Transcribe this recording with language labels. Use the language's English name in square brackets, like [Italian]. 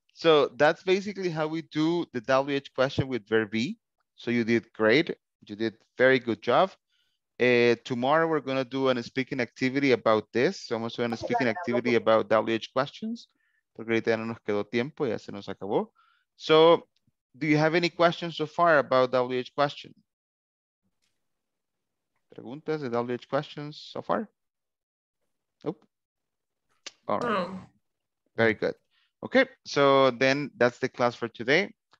[English] So that's basically how we do the WH question with verb be. So you did great. You did very good job. Tomorrow we're going to do a speaking activity about this. So I'm also doing a speaking activity about WH questions. [Spanish] Porque ahorita no nos quedó tiempo, ya se nos acabó. [English] So, do you have any questions so far about WH question? [Spanish] Preguntas de [English] WH questions so far? Nope. All right. Very good. Okay, so then that's the class for today.